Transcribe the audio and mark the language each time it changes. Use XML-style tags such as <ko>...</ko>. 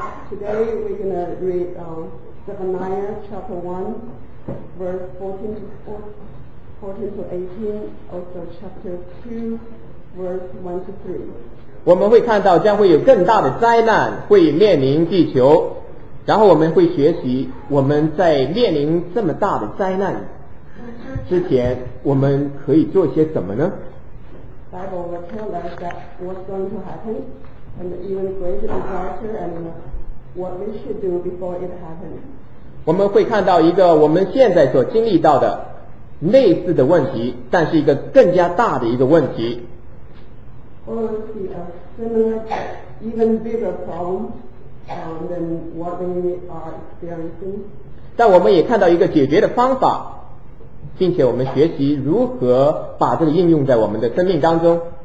<en>Today we're going to read Zephaniah chapter 1, verse 14 to 18, also chapter 2, verse 1 to 3.</en> <zh>我们会看到将会有更大的灾难会面临地球，然后我们会学习我们在面临这么大的灾难之前，我们可以做些什么呢？</zh> <en>Bible will tell us that what's going to happen, and even greater disaster, and what we should do before it happens.</en> <zh>我们会看到一个我们现在所经历到的类似的问题，但是一个更加大的一个问题。</zh> <en>We will see a similar, even bigger problem than what we are experiencing.</en> <zh>但我们也看到一个解决的方法。并且我们学习如何把这个应用在我们的生命当中。</zh>